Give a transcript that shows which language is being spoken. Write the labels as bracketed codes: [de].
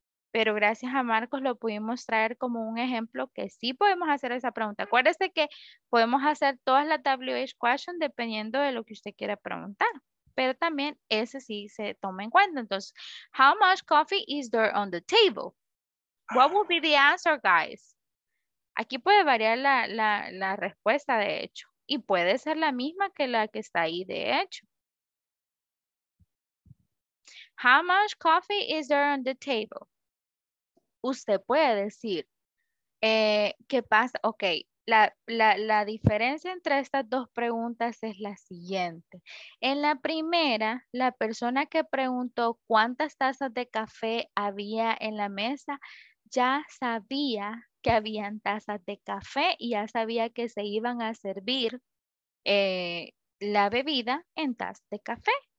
[es] pero gracias a Marcos lo pudimos traer como un ejemplo que sí podemos hacer esa pregunta. Acuérdese que podemos hacer todas las WH questions dependiendo de lo que usted quiera preguntar, pero también ese sí se toma en cuenta. [en] Entonces, how much coffee is there on the table? What would be the answer, guys? [es] Aquí puede variar la respuesta, de hecho, y puede ser la misma que la que está ahí, de hecho. [en] How much coffee is there on the table? [es] Usted puede decir, ¿qué pasa? Ok, la diferencia entre estas dos preguntas es la siguiente. En la primera, la persona que preguntó cuántas tazas de café había en la mesa, ya sabía que habían tazas de café y ya sabía que se iban a servir la bebida en tazas de café.